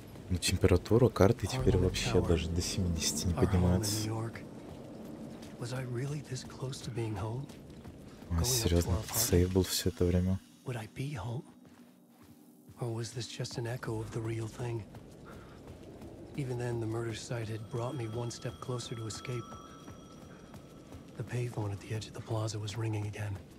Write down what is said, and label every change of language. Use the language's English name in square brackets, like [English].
[Russian] Ну, температура карты теперь вообще даже до 70 не поднимается. [English] Was I really this close to being home? [Russian] А, серьезно, сейв был все это время? [English] Would I be home? Or was this just an echo of the real thing? Even then, the murder site had brought me one step closer to escape. The payphone at the edge of the plaza was ringing again.